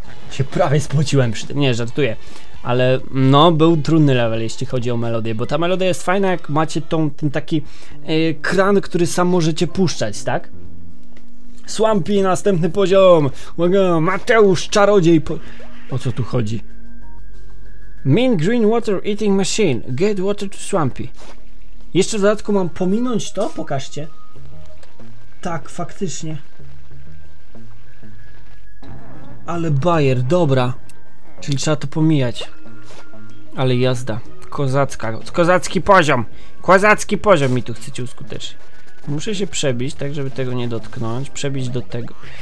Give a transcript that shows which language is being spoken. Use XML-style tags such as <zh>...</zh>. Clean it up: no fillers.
<pl>Się prawie spłaciłem przy tym. Nie, żartuję. Ale no, był trudny level, jeśli chodzi o melodię, bo ta melodia jest fajna, jak macie ten taki kran, który sam możecie puszczać, tak? Swampy, następny poziom! Mateusz, czarodziej! O co tu chodzi?</pl> <en>Mean green water eating machine, get water to Swampy.</en> <pl>Jeszcze w dodatku mam pominąć to? Pokażcie. Tak, faktycznie. Ale bajer, dobra. Czyli trzeba to pomijać. Ale jazda. Kozacka. Kozacki poziom. Kozacki poziom mi tu chcecie uskutecznić. Muszę się przebić, tak żeby tego nie dotknąć. Przebić do tego.</pl>